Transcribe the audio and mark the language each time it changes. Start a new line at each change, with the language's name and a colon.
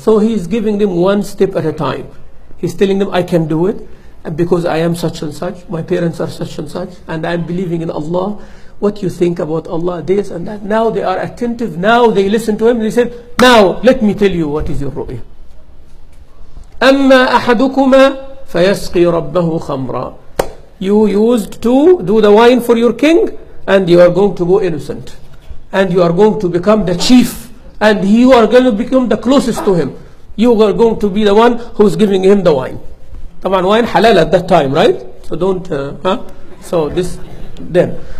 English: So he is giving them one step at a time. He's telling them, I can do it because I am such and such. My parents are such and such. And I'm believing in Allah. What you think about Allah, this and that. Now they are attentive. Now they listen to him. They said, now let me tell you what is your ru'yah.
Arabic: أما أحدكما فيسقي ربه خمرا.
English: You used to do the wine for your king, and you are going to go innocent, and you are going to become the chief, and you are going to become the closest to him. You are going to be the one who is giving him the wine.
Arabic: طبعا وين حلال
English: at that time, right? So don't, so this, then.